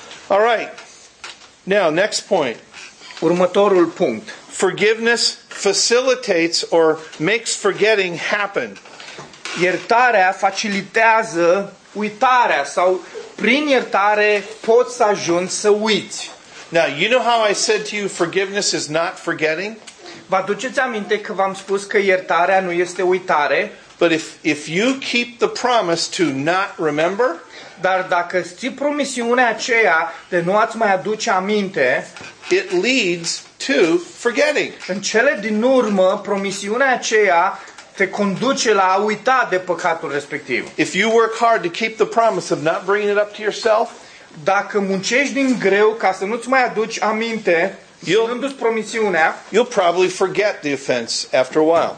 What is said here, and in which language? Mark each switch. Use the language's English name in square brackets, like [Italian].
[English] All right. Now, next point. [Romanian] Următorul punct. [English] Forgiveness facilitates or makes forgetting happen. [Romanian] Iertarea facilitează uitarea, sau prin iertare poți să ajungi să uiți. [English] Now, you know how I said to you forgiveness is not forgetting? [Romanian] Vă aduceți aminte că v-am spus că iertarea nu este uitare? [English] But if you keep the promise to not remember, [Romanian] dar dacă ții promisiunea aceea de nu ați mai aduce aminte, [English] it leads to forgetting. [Romanian] În cele din urmă, promisiunea aceea te conduce la a uita de păcatul respectiv. [English] If you work hard to keep the promise of not bringing it up to yourself, [Romanian] dacă muncești din greu ca să nu-ți mai aduci aminte, ținându-ți promisiunea, [English] you'll probably forget the offense after a while.